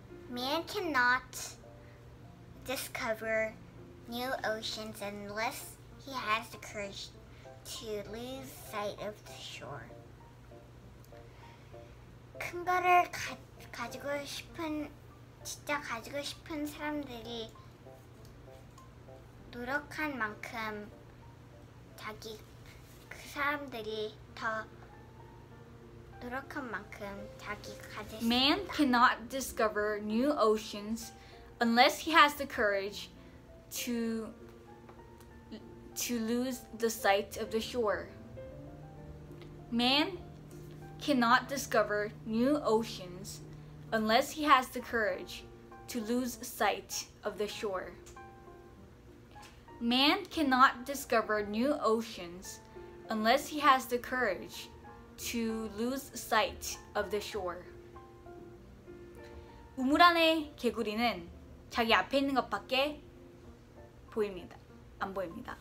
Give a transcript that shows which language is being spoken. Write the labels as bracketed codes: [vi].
[en] Man cannot discover new oceans unless he has the courage to lose sight of the shore. [ko] 큰 거를 가지고 싶은 진짜 가지고 싶은 사람들이 노력한 만큼 자기 그 사람들이 더 노력한 만큼 자기가 가질 수 [en] Man [ko] 있다. [en] cannot discover new oceans unless he has the courage to lose the sight of the shore. Man cannot discover new oceans unless he has the courage to lose sight of the shore. Man cannot discover new oceans unless he has the courage to lose sight of the shore. [ko] 우물 안에 개구리는 자기 앞에 있는 것밖에 보입니다. 안 보입니다.